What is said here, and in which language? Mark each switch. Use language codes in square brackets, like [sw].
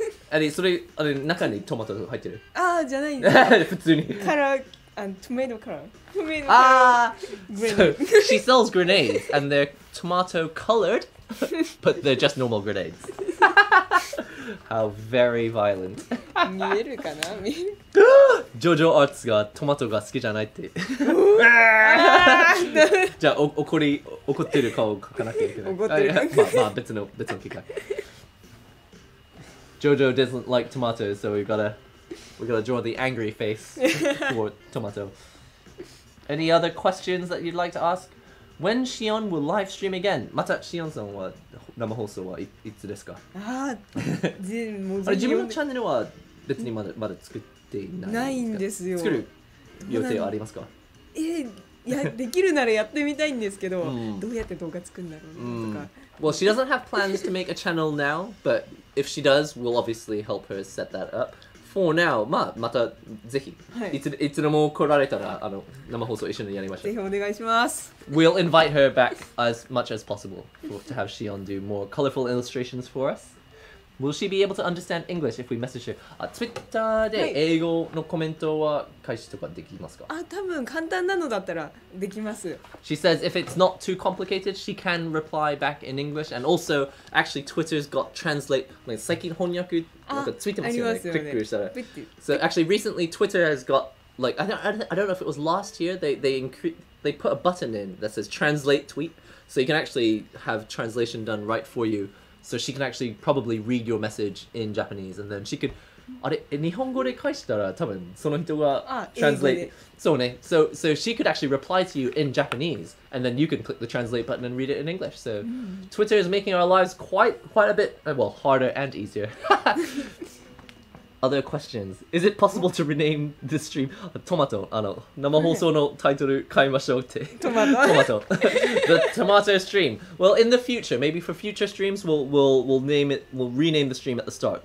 [ja] あれ、それ、あれ、中にトマト入ってる？あー、じゃないんだ。普通に。カラー、あの、トマトカラー。トマトカラー。あー、グレネード。 [en] So, she sells grenades, and they're tomato colored, but they're just normal grenades. How very violent. [ja] 見えるかな？見える。ジョジョアーツがトマトが好きじゃないって。じゃあ、怒ってる顔を描かなきゃいけない。怒ってる。まあ、別の機会。 [en] Jojo doesn't like tomatoes, so we gotta draw the angry face for tomato. Any other questions that you'd like to ask? When Shion will live stream again? [ja] またシオンさんは生放送はいつですか？ああ、自分のチャンネルは別にまだ作ってないんですよ。作る予定はありますか？できるならやってみたいんですけど、どうやって動画作るんだろうとか。 [en] Well, she doesn't have plans to make a channel now, but if she does, we'll obviously help her set that up. For now, [ja] まあ、またぜひ、いつでも来られたら、あの、生放送一緒にやりましょう。ぜひお願いします。 [en] We'll invite her back as much as possible to have Shion do more colorful illustrations for us. Will she be able to understand English if we message her? [ja] Twitter で英語のコメントは返しとかできますか？あ、多分簡単なのだったらできます。 [en] She says if it's not too complicated, she can reply back in English. And also, actually, Twitter's got translate. [ja] 最近翻訳なんかついてますよね。ありますよね。クリックしたら。 [en] So actually, recently, Twitter has got, like, I don't know if it was last year, they put a button in that says translate tweet. So you can actually have translation done right for you. So she can actually probably read your message in Japanese, and then she could... [ja] あれ、日本語で返したら多分その人がtranslate... [en] So she could actually reply to you in Japanese, and then you can click the translate button and read it in English. So Twitter is making our lives quite a bit, well, harder and easier. Other questions. Is it possible to rename the stream? Tomato. [ja] あの、生放送のタイトル変えましょうって。 [en] Tomato. Tomato. The tomato stream. Well, in the future, maybe for future streams, we'll rename the stream at the start.